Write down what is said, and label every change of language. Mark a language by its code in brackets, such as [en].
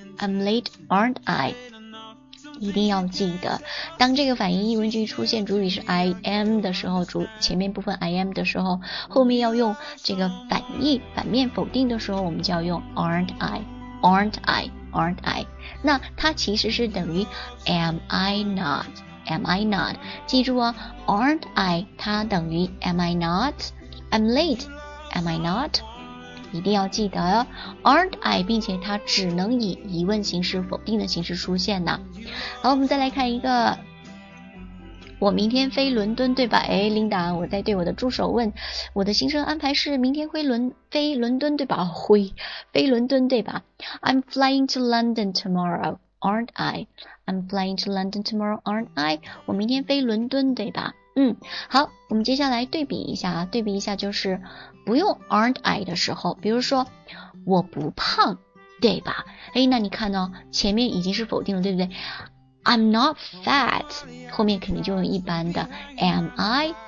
[en] I'm late, aren't I? [zh] 一定要记得，当这个反义疑问句出现主语是 I am 的时候，前面部分 I am 的时候，后面要用这个反义反面否定的时候，我们就要用 aren't I, aren't I, aren't I。那它其实是等于 am I not, am I not。 [en] 记住哦， aren't I 它等于 am I not, I'm late, am I not。 [zh] 一定要记得 aren't I，并且它只能以疑问形式否定的形式出现呢。好，我们再来看一个，我明天飞伦敦对吧？哎，琳达，我在对我的助手问，我的行程安排是明天飞伦敦对吧？ [en] I'm flying to London tomorrow, aren't I? I'm flying to London tomorrow, aren't I? [zh] 我明天飞伦敦对吧？好，我们接下来对比一下，对比一下就是不用 aren't I 的时候，比如说我不胖对吧？哎，那你看呢、哦？前面已经是否定了，对不对 ？ I'm not fat，后面肯定就用一般的。 Am I？